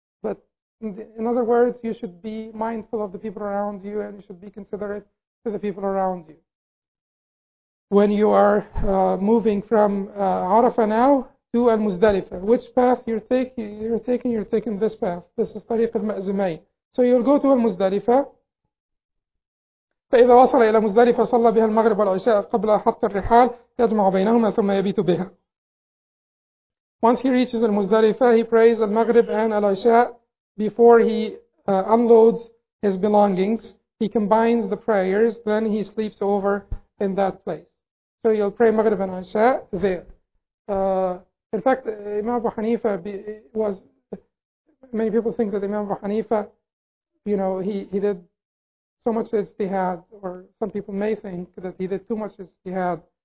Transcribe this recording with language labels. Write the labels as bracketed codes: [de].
[en] But in other words, you should be mindful of the people around you, and you should be considerate to the people around you. when you are moving from Arafah now to Al-Muzdalifah. Which path you're taking? You're taking this path. This is Tariq Al-Ma'zumayn. So you'll go to Al-Muzdalifah. [ar] فإذا وصل إلى مزدلفة صلى بها المغرب والعشاء قبل حط الرحال يجمع بينهما ثم يبيت بها. [en] Once he reaches المزدلفة, he prays المغرب and العشاء before he unloads his belongings. He combines the prayers, then he sleeps over in that place. So you'll pray مغرب and عشاء there. In fact, Imam Abu Hanifa was, many people think that Imam Abu Hanifa, you know, he did so much ijtihad, or some people may think that he did too much ijtihad.